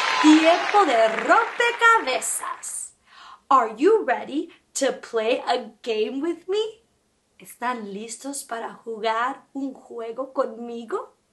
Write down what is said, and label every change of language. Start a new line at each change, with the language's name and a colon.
Spanish: Tiempo de rompecabezas.
English: Are you ready to play a game with me?
Spanish: ¿Están listos para jugar un juego conmigo?